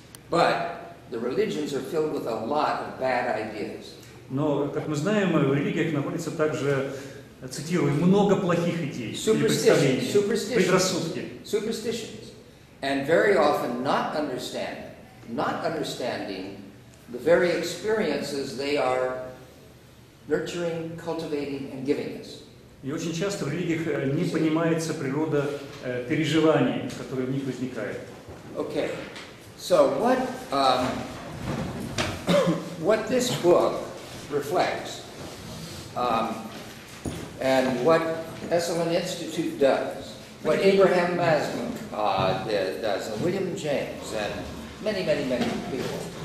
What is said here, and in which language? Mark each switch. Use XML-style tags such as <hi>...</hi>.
<en>But the religions are filled with a lot of bad ideas.</en> <ru>Но, как мы знаем, в религиях находится также, цитирую, много плохих идей, представлений, предрассудки.</ru> <en>Superstitions. And very often not understanding the very experiences they are nurturing, cultivating, and giving us.</en> <ru>И очень часто в религиях не понимается природа переживаний, которые в них возникают.</ru> <en>Okay. So what what this book reflects and what Esalen Institute does, what Abraham Maslow does, and William James, and many people,</en>